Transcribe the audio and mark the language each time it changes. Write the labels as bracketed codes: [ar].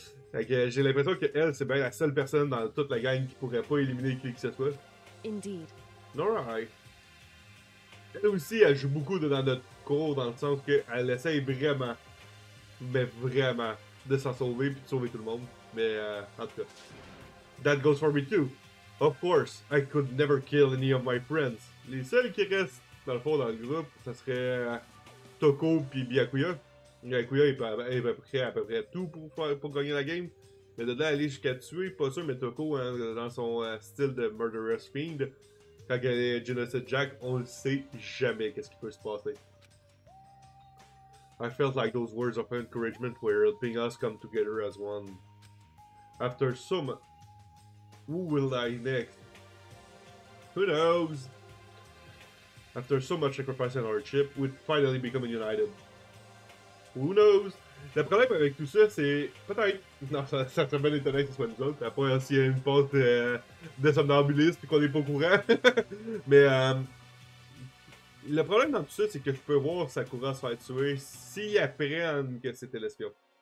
[fr] Fait que j'ai l'impression que elle c'est bien la seule personne dans toute la gang qui pourrait pas éliminer qui que ce soit. [en] Indeed. Nor I. [fr] Elle aussi, elle joue beaucoup dans notre cour, dans le sens qu'elle essaye vraiment, mais vraiment, de s'en sauver puis de sauver tout le monde. Mais en tout cas, [en] that goes for me too. Of course, I could never kill any of my friends. [fr] Les seuls qui restent, dans le fond, dans le groupe, ça serait Toko puis Byakuya. Byakuya, il peut créer à peu près tout pour gagner la game. Mais de là, aller jusqu'à tuer, pas sûr, mais Toko, hein, dans son style de murderous fiend, quand il y a Genocide Jack, on ne sait jamais qu'est-ce qui peut se passer. [en] I felt like those words of encouragement were helping us come together as one. After so much, who will die next? Who knows? After so much sacrifice and hardship, we'd finally become united. Who knows? [fr] Le problème avec tout ça, c'est peut-être. Non, ça serait bien étonnant que ce soit nous autres. Après, s'il y a une pause de somnambulisme et qu'on n'est pas au courant. Mais, le problème dans tout ça, c'est que je peux voir Sakura se faire tuer s'ils apprennent que c'était l'espion.